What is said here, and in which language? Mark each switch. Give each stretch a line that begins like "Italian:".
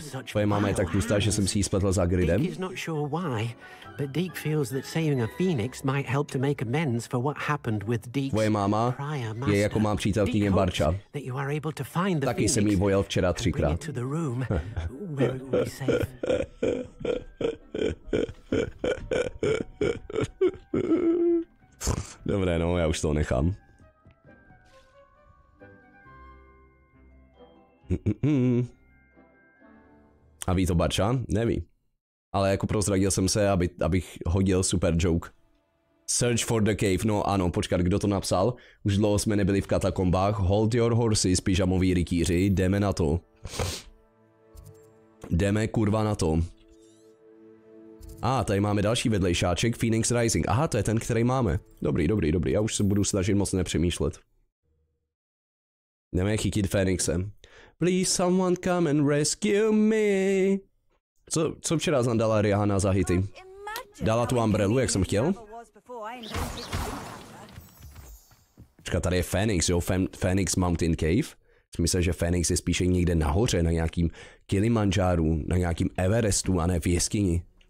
Czech: Tvoje máma je tak tlustá, že jsem si ji spletl za Gridem.
English: Deek is not sure why, but Deek feels that saving a phoenix might help to make amends for what happened with Deek's prior master.
Czech: Tvoje máma je jako má přítelkyně Barča. Taky jsem jí vojel včera třikrát.
English: Bring it to the room where it will be safe.
Czech: Dobré, no, já už to nechám. A ví to Barča? Neví. Ale jako prozradil jsem se, abych hodil super joke.
English: Search for the cave.
Czech: No ano, počkat, kdo to napsal? Už dlouho jsme nebyli v katakombách.
English: Hold your horses,
Czech: pyžamoví rytíři. Jdeme na to. Jdeme kurva na to. A tady máme další vedlejšáček, Phoenix Rising. Aha, to je ten, který máme. Dobrý. Já už se budu snažit moc nepřemýšlet. Jdeme chytit Fénixem.
English: Please someone come and rescue me.
Czech: Co včera jsem dala Rihanna za hity? Dala tu umbrelu, jak jsem chtěl? Počka, tady je Fénix, jo? Fénix Mountain Cave? Myslím, že Fénix je spíše někde nahoře, na nějakým Kilimanjaru, na nějakým Everestu a ne v jeskyni.